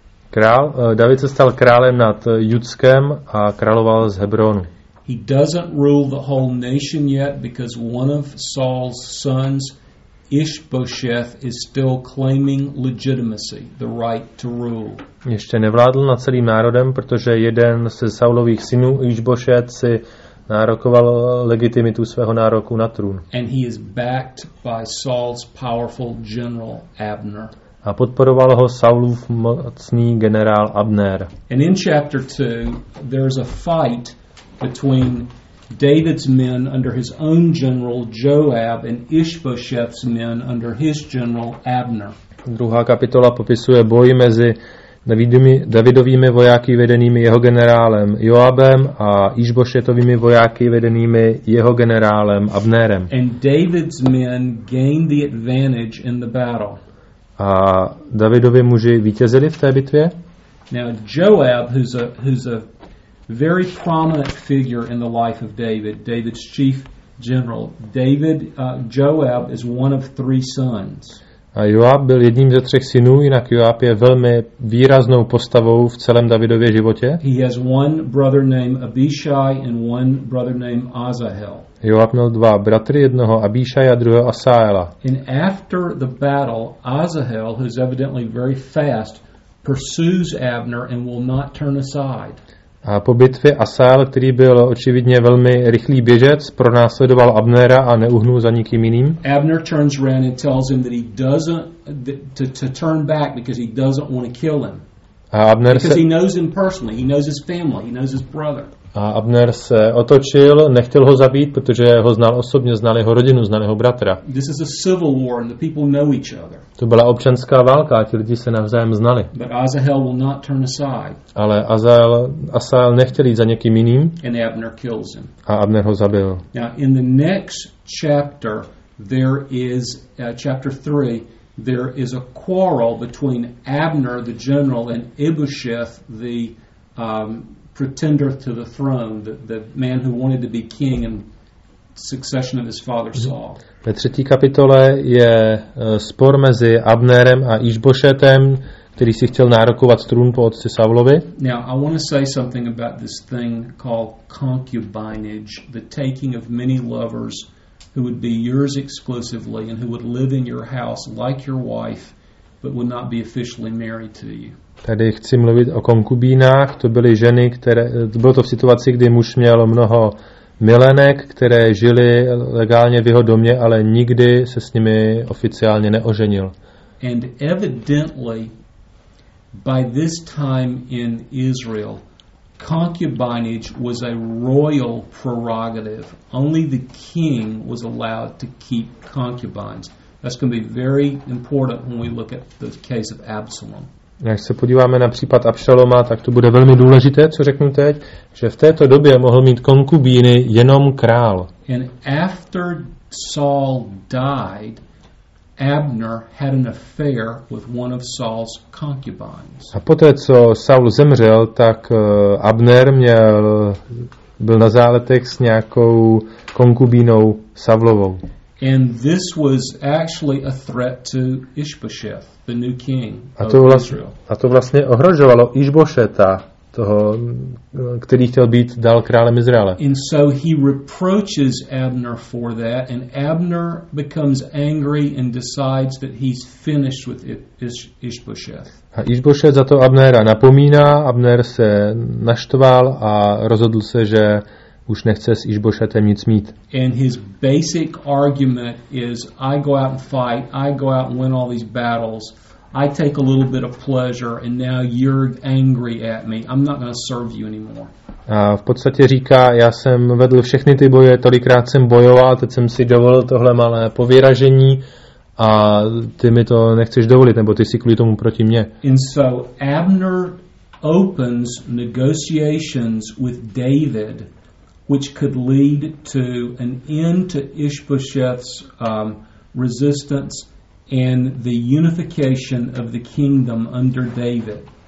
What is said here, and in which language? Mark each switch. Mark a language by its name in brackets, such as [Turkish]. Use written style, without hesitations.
[Czech] Král, David se stal králem nad Judskem a královal z Hebronu. [English] He doesn't rule the whole nation yet because one of Saul's sons, Ish-bosheth, is still claiming legitimacy, the right to rule. [Czech] Ještě nevládl nad celým národem, protože jeden ze Saulových synů, Ish-bosheth, si nárokoval legitimitu svého nároku na trůn. [English] And he is backed by Saul's powerful general Abner. [Czech] A podporoval ho Saulův mocný generál Abner. [English] And in chapter 2 there's a fight between David's men under his own general Joab and Ish-bosheth's men under his general Abner. [Czech] Druhá kapitola popisuje boj mezi Davidovými vojáky vedenými jeho generálem Joabem a Išbošetovými vojáky vedenými jeho generálem Abnérem. [English] And David's men gained the advantage in the battle. [Czech] A Davidovi muži vítězili v té bitvě. [English] Now Joab, who's a very prominent figure in the life of David, David's chief general. Joab is one of three sons. [Czech] A Joab byl jedním ze třech synů, jinak Joab je velmi výraznou postavou v celém Davidově životě. [English] He has one brother named Abishai and one brother named Azahel. [Czech] Joab měl dva bratry, jednoho Abishai a druhého Asaela. [English] And after the battle, Azahel, who is evidently very fast, pursues Abner and will not turn aside. [Czech] A po bitvě Asael, který byl očividně velmi rychlý běžec, pronásledoval Abnera a neuhnul za nikým jiným. [English] Abner turns around and tells him that he doesn't to turn back because he doesn't want to kill him. [Czech] A Abner [English] because he knows him personally, he knows his family, he knows his brother. [Czech] A Abner se otočil, nechtěl ho zabít, protože ho znal osobně, znal jeho rodinu, znal jeho bratra. [English] This is a civil war and the people know each other. [Czech] To byla občanská válka a ti lidi se navzájem znali. [English] But Azahel will not turn aside. [Czech] Ale Asael nechtěl jít za někým jiným. [English] And Abner kills him. [Czech] A Abner ho zabil. [English] Now in the next chapter, there is chapter 3, there is a quarrel between Abner the general and Ibosheth the pretender to the throne, the man who wanted to be king in succession of his father Saul. [Czech] Ve třetí kapitole je spor mezi Abnerem a Išbošetem, který si chtěl nárokovat trůn po otci Saulovi. [English] Now I want to say something about this thing called concubinage, the taking of many lovers who would be yours exclusively and who would live in your house like your wife but would not be officially married to you. [Czech] Tady chci mluvit o konkubínách. To byly ženy, které bylo to v situaci, kdy muž měl mnoho milenek, které žily legálně v jeho domě, ale nikdy se s nimi oficiálně neoženil. [English] And evidently by this time in Israel, concubinage was a royal prerogative. Only the king was allowed to keep concubines. That's going to be very important when we look at the case of Absalom. [Czech] Když se podíváme na případ Abšaloma, tak to bude velmi důležité, co řeknu teď, že v této době mohl mít konkubíny jenom král. [English] And after Saul died, Abner had an affair with one of Saul's concubines. [Czech] A poté, co Saul zemřel, tak Abner byl na záletek s nějakou konkubínou Saulovou. [English] And this was actually a threat to Ishbosheth, the new king of Israel. [Czech] A to vlastně ohrožovalo Išbošeta, toho, který chtěl být dál králem Izraele. [English] And so he reproaches Abner for that, and Abner becomes angry and decides that he's finished with Ishbosheth. [Czech] A Išbošet za to Abnera napomíná, Abner se naštval a rozhodl se, že už nechce s Išbošetem nic mít. [English] And his basic argument is, I go out and fight, I go out and win all these battles, I take a little bit of pleasure, and now you're angry at me. I'm not going to serve you anymore. [Czech] A v podstatě říká, já jsem vedl všechny ty boje, tolikrát jsem bojoval, teď jsem si dovolil tohle malé povýražení a ty mi to nechceš dovolit, nebo ty jsi kvůli tomu proti mě. [English] And so Abner opens negotiations with David, which could lead to an end to Ishbosheth's resistance and the unification of the kingdom under David.